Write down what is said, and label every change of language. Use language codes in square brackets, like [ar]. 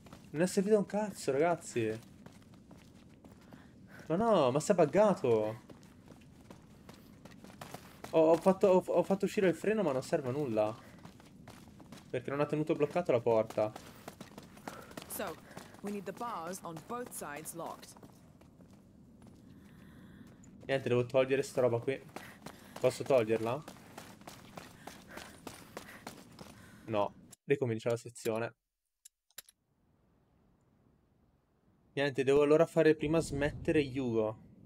[it] Non è servito un cazzo, ragazzi. Ma no, ma si è buggato. Ho fatto uscire il freno, ma non serve a nulla. Perché non ha tenuto bloccato la porta. [en] So, we need the bars on both sides locked. [it] Niente, devo togliere sta roba qui. Posso toglierla? No, ricomincia la sezione. Niente, devo allora fare prima smettere Hugo.